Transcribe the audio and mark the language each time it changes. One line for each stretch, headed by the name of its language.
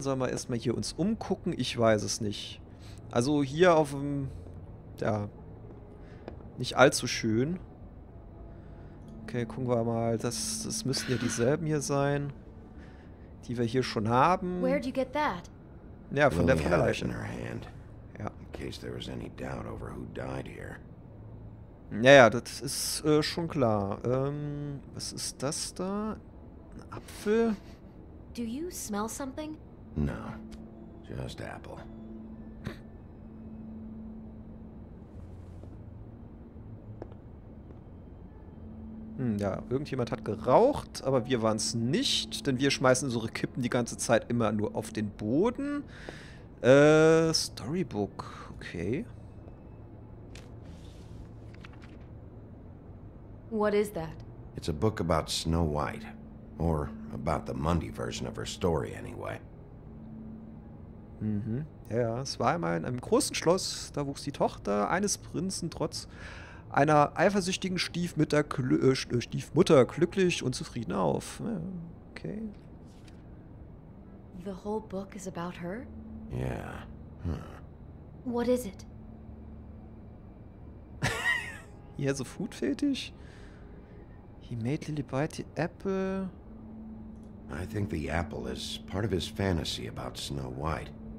German: Sollen wir erstmal hier uns umgucken? Ich weiß es nicht. Also hier auf dem... Ja... Nicht allzu schön. Okay, gucken wir mal. Das müssten ja dieselben hier sein, die wir hier schon haben.
English: Where'd you get that?
German: Ja, von der Leiche. Ja.
English: In case there was any doubt over who died here.
German: Naja, das ist schon klar. Was ist das da? Ein Apfel?
English: Do you smell something? No, just apple.
German: Ja, irgendjemand hat geraucht, aber wir waren es nicht, denn wir schmeißen unsere Kippen die ganze Zeit immer nur auf den Boden.
English: Storybook, okay. What is that? It's a book about Snow White. Or about the Mundy version of her story, anyway.
German: Mhm, ja, es war einmal in einem großen Schloss, da wuchs die Tochter eines Prinzen trotz einer eifersüchtigen Stiefmutter glücklich und zufrieden auf. Okay.
English: The whole book is about her? Yeah. What is it? He has a food fetish? He made Lily bite the apple. I think the apple is part of his fantasy about Snow White.